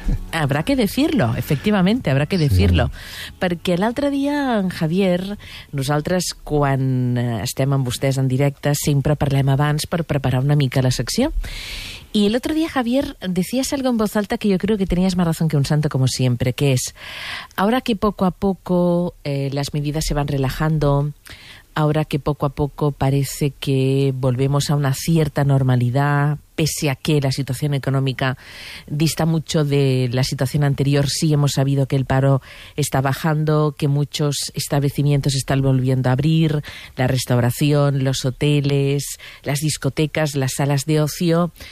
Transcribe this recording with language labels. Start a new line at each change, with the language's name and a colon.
Spanish: Habrá que decirlo, efectivament, habrá que decirlo. Sí.
Catalan: Perquè l'altre dia, en Javier, nosaltres, quan estem amb vostès en directe, sempre parlem abans per preparar una mica la secció.
Spanish: Y el otro día, Javier, decías algo en voz alta que yo creo que tenías más razón que un santo, como siempre, que es, ahora que poco a poco las medidas se van relajando, ahora que poco a poco parece que volvemos a una cierta normalidad, pese a que la situación económica dista mucho de la situación anterior, sí hemos sabido que el paro está bajando, que muchos establecimientos están volviendo a abrir, la restauración, los hoteles, las discotecas, las salas de ocio.